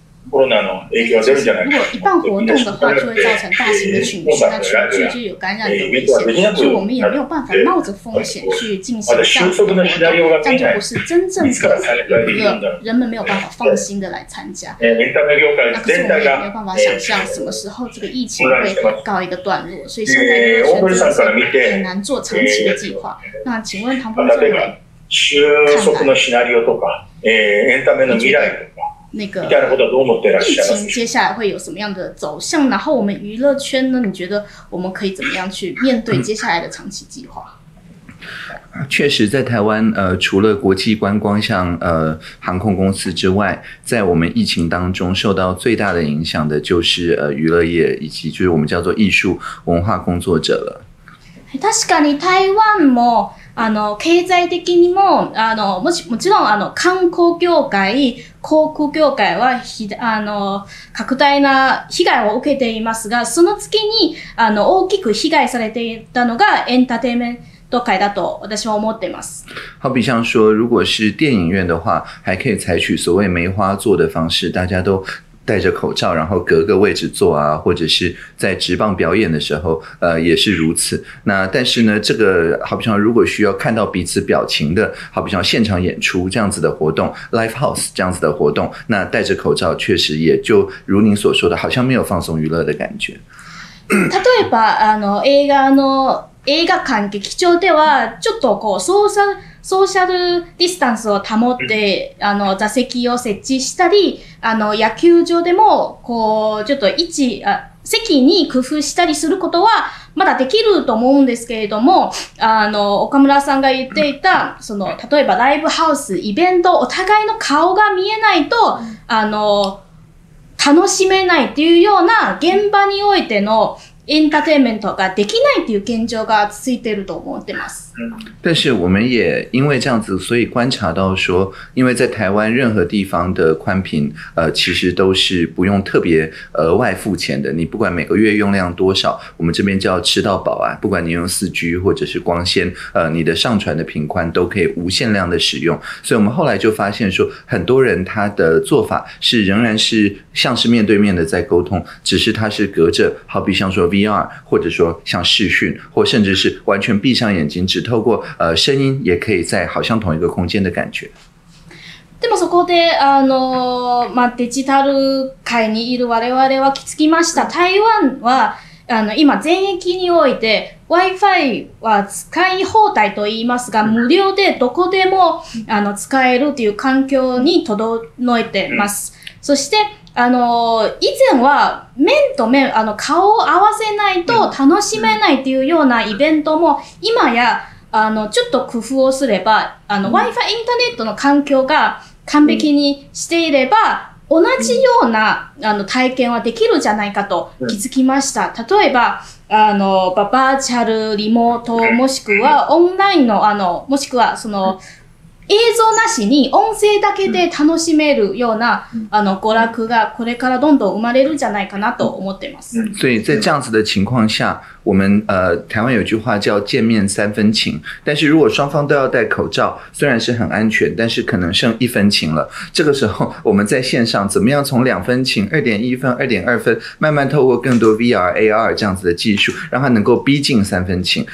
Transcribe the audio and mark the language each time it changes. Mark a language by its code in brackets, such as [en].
[ja] コロナの影響は出るじゃないですか。 [zh] 如果一般活動的話就會造成大型的群聚，那群聚就有感染的危險，所以我們也沒有辦法冒著風險去進行這樣的活動，這樣就不是真正的娛樂，人們沒有辦法放心的來參加。那可是我們也沒有辦法想像什麼時候這個疫情會告一個段落，所以現在娛樂圈真的是很難做長期的計劃。那請問唐峰政委， [ja] 収束のシナリオとか、エンタメの未来とか。 [zh] 那个疫情接下来会有什么样的走向？然后我们娱乐圈呢？你觉得我们可以怎么样去面对接下来的长期计划？确实，在台湾，除了国际观光像航空公司之外，在我们疫情当中受到最大的影响的就是娱乐业以及就是我们叫做艺术文化工作者了。 [ja] 確かに台湾も。経済的にも、もちろん、観光業界、航空業界は、拡大な被害を受けていますが、その月に、大きく被害されていたのが、エンターテイメント。都改到多，我的希望没得嘛。 [zh] 好比像说，如果是电影院的话，还可以采取所谓梅花座的方式，大家都戴着口罩，然后隔个位置坐啊，或者是在职棒表演的时候，也是如此。那但是呢，这个好比像如果需要看到彼此表情的，好比像现场演出这样子的活动 ，live house 这样子的活动，那戴着口罩确实也就如您所说的，好像没有放松娱乐的感觉。 [ja] 例えば映画の。映画館劇場ではちょっとこうソーシャルディスタンスを保って座席を設置したり野球場でもこうちょっと位置席に工夫したりすることはまだできると思うんですけれども、岡村さんが言っていた、その、例えばライブハウス、イベント、お互いの顔が見えないと、楽しめないっていうような現場においてのエンターテインメントができないっていう現状が続いていると思ってます。 [zh] 但是我们也因为这样子，所以观察到说，因为在台湾任何地方的宽频，其实都是不用特别额外付钱的。你不管每个月用量多少，我们这边叫吃到饱啊。不管你用4G 或者是光纤，你的上传的频宽都可以无限量的使用。所以我们后来就发现说，很多人他的做法是仍然是像是面对面的在沟通，只是他是隔着，好比像说 VR， 或者说像视讯，或甚至是完全闭上眼睛只透过声音也可以在好像同一个空间的感觉。 [ja] でもそこでデジタル界にいる我々は気づきました。台湾は今全域において Wi-Fi は使い放題といいますが、無料でどこでも使えるという環境に整えています。そして以前は面と面顔を合わせないと楽しめないというようなイベントも今やちょっと工夫をすれば Wi-Fi インターネットの環境が完璧にしていれば同じような体験はできるじゃないかと気づきました。例えばバーチャルリモートもしくはオンラインのもしくはその映像なしに音声だけで楽しめるような娯楽がこれからどんどん生まれるんじゃないかなと思ってます。 [zh] 所以在这样子的情况下，我们台湾有句话叫见面三分情，但是如果双方都要戴口罩，虽然是很安全，但是可能剩一分情了。这个时候我们在线上怎么样从两分情、2.1分、2.2分，慢慢透过更多 VR、AR 这样子的技术，让它能够逼近三分情。